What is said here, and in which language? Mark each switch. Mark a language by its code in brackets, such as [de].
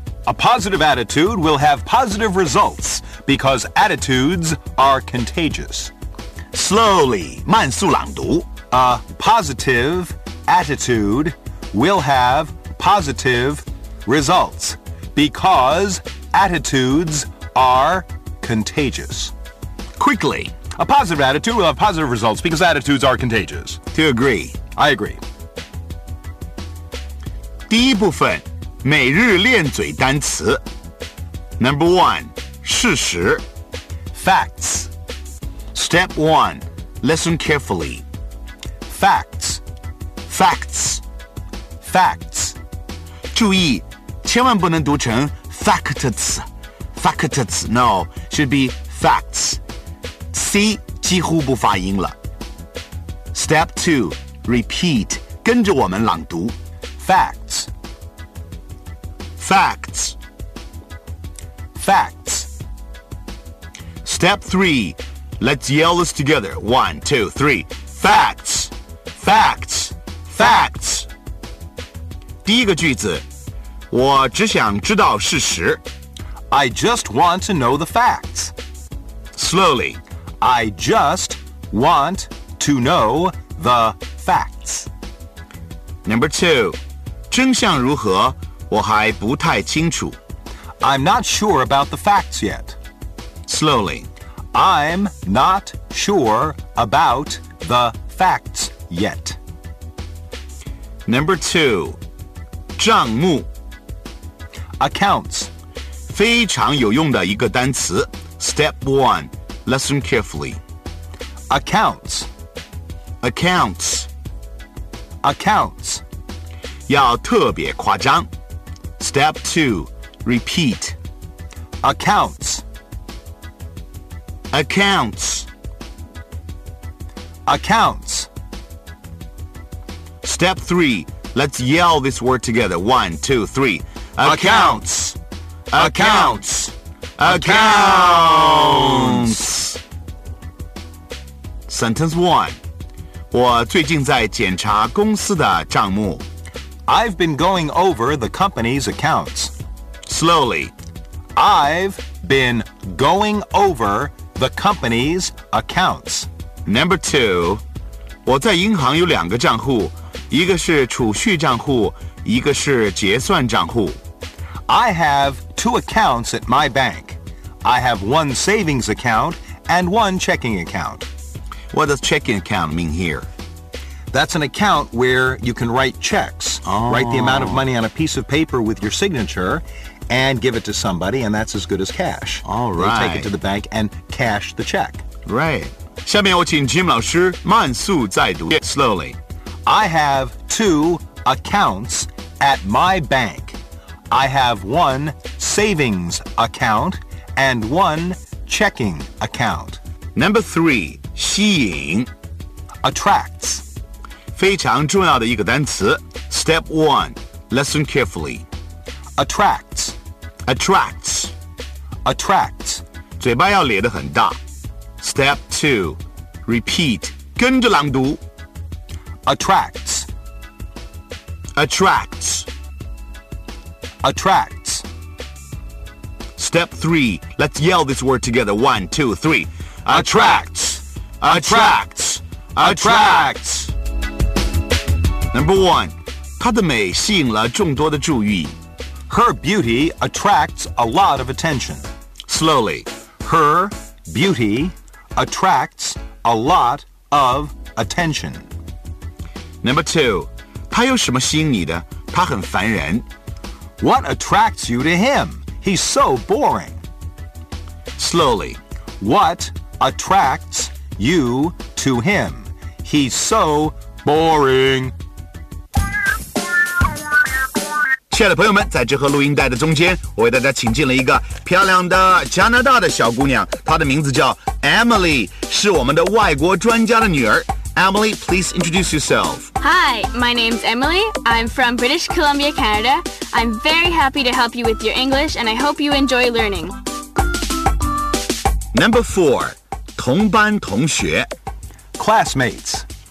[en] A positive attitude will have positive results because attitudes are contagious. Slowly, [zh] 慢速朗读 [en] A positive attitude will have positive results because attitudes are contagious. Quickly, A positive attitude will have positive results because attitudes are contagious. To agree. I agree. [zh] 第一部分，每日练嘴单词。 [en] Number one, [zh] 事实。 [en] Facts. Step one, listen carefully. Facts. Facts. Facts. [zh] 注意，千万不能读成 facts. [en] Facts. No, should be facts. [zh] C 几乎不发音了。 [en] Step 2. Repeat. [zh] 跟着我们朗读 [en] Facts. Facts. Facts. Step 3. Let's yell this together. 1, 2, 3. Facts. Facts. Facts. [zh] 第一个句子我只想知道事实 [en] I just want to know the facts. Slowly. I just want to knowThe facts. Number two, [zh] 真相如何我还不太清楚 [en] I'm not sure about the facts yet. Slowly, I'm not sure about the facts yet. Number two, [zh] 账目 [en] accounts, [zh] 非常有用的一个单词 [en] Step one, listen carefully. Accounts. Accounts. Accounts. [zh] 要特别夸张。 [en] Step 2. Repeat. Accounts. Accounts. Accounts. Step 3. Let's yell this word together. 1, 2, 3. Accounts. Accounts. Accounts. Sentence 1. [zh] 我最近在检查公司的账目。 [en] I've been going over the company's accounts. Slowly. I've been going over the company's accounts. Number two. [zh] 我在银行有两个账户，一个是储蓄账户，一个是结算账户。 [en] I have two accounts at my bank. I have one savings account and one checking account. What does checking account mean here? That's an account where you can write checks. Oh. Write the amount of money on a piece of paper with your signature and give it to somebody, and that's as good as cash. All right. They take it to the bank and cash the check. Right. [zh] 下面我请 Jim 老师慢速再读 [en] Slowly. I have two accounts at my bank. I have one savings account and one checking account. Number three. [zh] 吸引 [en] Attracts [zh] 非常重要的一个单词 [en] Step 1 Listen carefully Attracts Attracts Attracts [zh] 嘴巴要咧得很大 [en] Step 2 Repeat [zh] 跟着朗读 [en] Attracts Attracts Attracts Step 3 Let's yell this word together 1, 2, 3 AttractsAttracts! Attracts! Number one, [zh] 她的美吸引了众多的注意。 [en] Her beauty attracts a lot of attention. Slowly. Her beauty attracts a lot of attention. Number two, [zh] 他有什么吸引你的？他很烦人。 [en] What attracts you to him? He's so boring. Slowly, what attracts you to him? He's so boring. [zh] 亲爱的朋友们，在这盒录音带的中间，我为大家请进了一个漂亮的加拿大的小姑娘，她的名字叫 Emily， 是我们的外国专家的女儿。 [en] Emily, please introduce yourself. Hi, my name's Emily. I'm from British Columbia, Canada. I'm very happy to help you with your English, and I hope you enjoy learning. Number four, [zh] 同班同学 [en] Classmates.